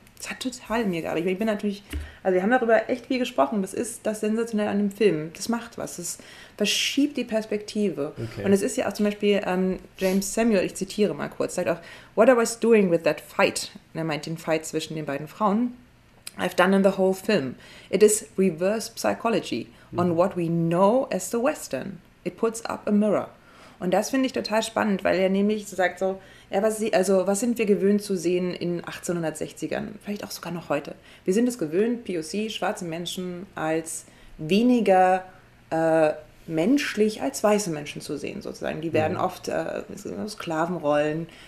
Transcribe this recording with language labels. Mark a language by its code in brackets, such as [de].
[de] Das hat total in mir gearbeitet. Ich bin natürlich, also wir haben darüber echt viel gesprochen. Das ist das Sensationelle an dem Film. Das macht was. Das verschiebt die Perspektive. Okay. Und es ist ja auch zum Beispiel James Samuel, ich zitiere mal kurz, sagt auch, [en] what I was doing with that fight, [de] er meint den Fight zwischen den beiden Frauen, [en] I've done in the whole film. It is reverse psychology on what we know as the Western. It puts up a mirror. [de] Und das finde ich total spannend, weil er nämlich so sagt so, ja, was sind wir gewöhnt zu sehen in 1860ern? Vielleicht auch sogar noch heute. Wir sind es gewöhnt, POC, schwarze Menschen, als weniger menschlich als weiße Menschen zu sehen, sozusagen. Die werden oft Sklavenrollen,